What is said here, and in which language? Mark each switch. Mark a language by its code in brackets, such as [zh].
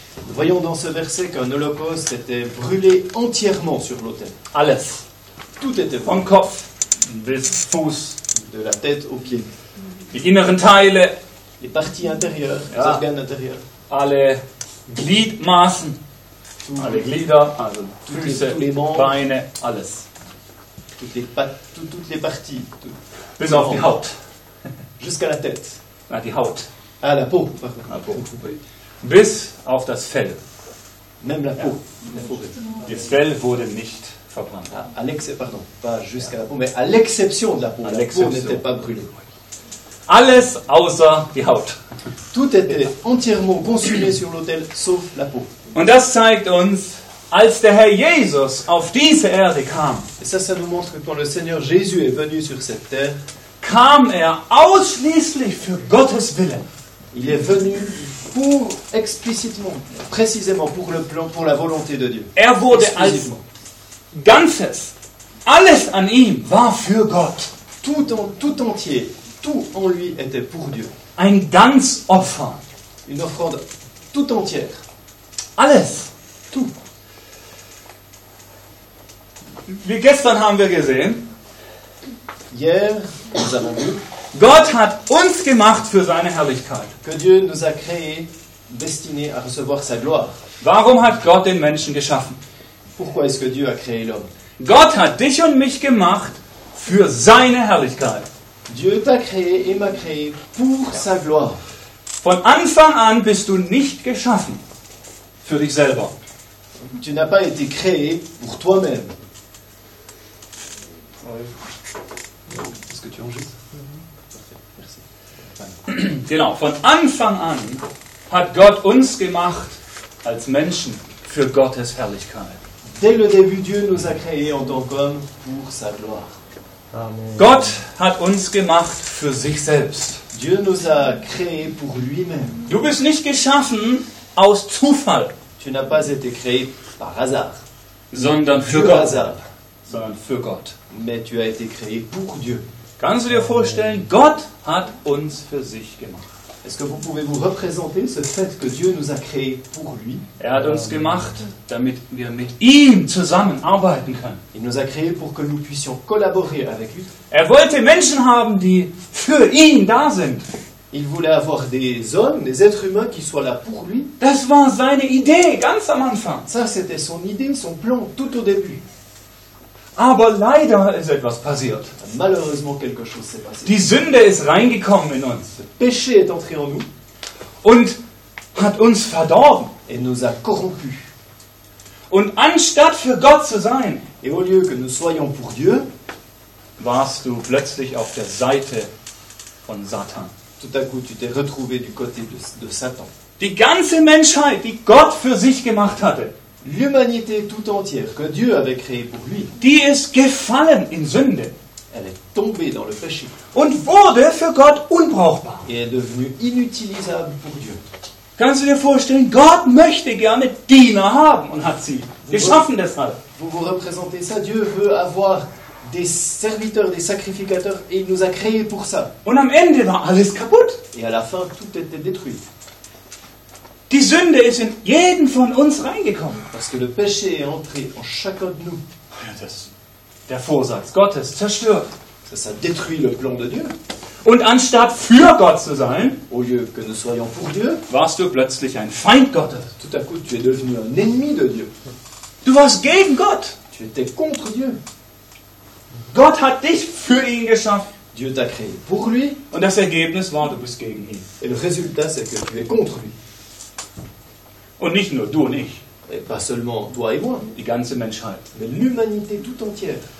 [fr] Nous voyons dans ce verset qu'un holocauste était brûlé entièrement sur l'autel. [de] Alles. [fr] Tout était brûlé. [de] Von Kopf bis Fuß. [fr] De la tête aux pieds. [de] Die inneren Teile. [fr] Les parties intérieures, ja. Les organes intérieurs. [de] Alle Gliedmaßen. Alle Glieder, also Füße, Beine, alles. [fr] Toutes les parties. [de] Bis auf die Haut. [fr] Jusqu'à la tête. [de] Ah, die Haut. [fr] Ah, la peau. La peau. [de] Bis auf das Fell. [fr] Même la peau. [de] Das Fell wurde nicht verbrannt. [fr] Pardon, pas jusqu'à la peau, mais à l'exception de la peau. La peau n'était pas brûlée. [de] Alles außer die Haut. [fr] Tout était entièrement consumé sur l'autel, sauf la peau. [de] Und das zeigt uns, als der Herr Jesus auf diese Erde kam. [fr] Et ça nous montre que quand le Seigneur Jésus est venu sur cette terre, [de] kam ausschließlich für Gottes Willen. [fr] Il est venu pour explicitement, précisément pour le plan, pour la volonté de Dieu. [de] Wurde als Ganzes, alles an ihm war für Gott. [fr] Tout entier, tout en lui était pour Dieu. [de] Ein Ganzopfer. [fr] Une offrande tout entière. [de] Alles. [fr] Tout. [de] Wie gestern haben wir gesehen. [fr] Hier, nous avons vu. [de] Gott hat uns gemacht für seine Herrlichkeit. [fr] Que Dieu nous a créé, destiné à recevoir sa gloire. [de] Warum hat Gott den Menschen geschaffen? [fr] Pourquoi est-ce que Dieu a créé l'homme? [de] Gott hat dich und mich gemacht für seine Herrlichkeit. [fr] Dieu t'a créé et m'a créé pour sa gloire. [de] Von Anfang an bist du nicht geschaffen für dich selber. [fr] Tu n'as pas été créé pour toi-même. Est-ce que tu enregistres? [de] Genau, von Anfang an hat Gott uns gemacht als Menschen für Gottes Herrlichkeit. [fr] Dès le début, Dieu nous a créés en tant qu'homme pour sa gloire. Amen. [de] Gott hat uns gemacht für sich selbst. [fr] Dieu nous a créés pour lui-même. [de] Du bist nicht geschaffen aus Zufall. [fr] Tu n'as pas été créé par hasard. [de] Sondern für Gott. [fr] Hasard. [de] Sondern für Gott. [fr] Mais tu as été créé pour Dieu. [de] Kannst du dir vorstellen, Gott hat uns für sich gemacht. [fr] Est-ce que vous pouvez vous représenter ce fait que Dieu nous a créé pour lui? [de] Er hat uns gemacht, damit wir mit ihm zusammen arbeiten können. [fr] Il nous a créé pour que nous puissions collaborer avec lui. [de] Er wollte Menschen haben, die für ihn da sind. [fr] Il voulait avoir des hommes, des êtres humains qui soient là pour lui. [de] Das war seine Idee ganz am Anfang. [fr] Ça, c'était son idée, son plan tout au début. [de] Aber leider ist etwas passiert. [fr] Malheureusement, quelque chose s'est passé. [de] Die Sünde ist reingekommen in uns. [fr] Le péché est entré en nous. [de] Und hat uns verdorben. [fr] Et nous a corrompu. [de] Und anstatt für Gott zu sein, [fr] et au lieu que nous soyons pour Dieu, [de] warst du plötzlich auf der Seite von Satan. [fr] Tout à coup, tu t'es retrouvé du côté de Satan. [de] Die ganze Menschheit, die Gott für sich gemacht hatte, [fr] l'humanité tout entière que Dieu avait créée pour lui, [de] die ist gefallen in Sünde. [fr] Elle est tombée dans le péché. [de] Und wurde für Gott unbrauchbar. [fr] Et est devenue inutilisable pour Dieu. [de] Kannst du dir vorstellen, Gott möchte gerne Diener haben und hat sie geschaffen deshalb. [fr] Vous vous représentez ça, Dieu veut avoir des serviteurs, des sacrificateurs et il nous a créés pour ça. [de] Und am Ende war alles kaputt. [fr] Et à la fin, tout était détruit. [de] Die Sünde ist in jeden von uns reingekommen. [fr] Parce que le péché est entré en chacun de nous. [de] Das, der Vorsatz Gottes zerstört. Das hat [fr] détruit le plan de Dieu. [de] Und anstatt für Gott zu sein, [fr] au lieu que nous soyons pour Dieu, [de] warst du plötzlich ein Feind Gottes. [fr] Tout à coup, tu es devenu un ennemi de Dieu. [de] Du warst gegen Gott. [fr] Tu étais contre Dieu. [de] Gott hat dich für ihn geschaffen. [fr] Dieu t'a créé pour lui. [de] Und das Ergebnis war, du bist gegen ihn. [fr] Et le résultat, c'est que tu es contre lui. [de] Und nicht nur du und ich. [fr] Et pas seulement toi et moi. [de] Die ganze Menschheit. [fr] Mais l'humanité tout entière.